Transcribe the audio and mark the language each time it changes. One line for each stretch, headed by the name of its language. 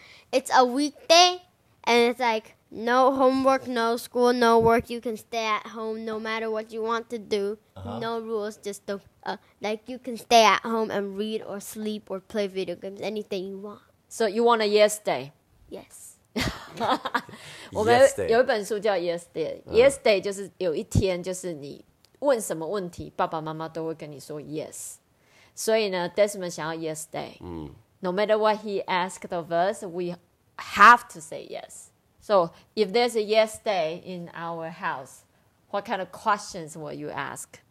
English: It's a weekday, and it's like. No homework, no school, no work. You can stay at home no matter what you want to do. Uh-huh. No rules, just the, like you can stay at home and read or sleep or play video games, anything you want. So you want a yes day? Yes. yes day.
Chinese: 有一本书叫 Yes Day. Yes Day 就是有一天就是你问什么问题，爸爸妈妈都会跟你说 yes. 所以呢
English: Desmond
Chinese: 想要
English: yes day. No matter what he asked of us, we have to say yes. So, if there's a yes day in our house, what kind of questions will you ask?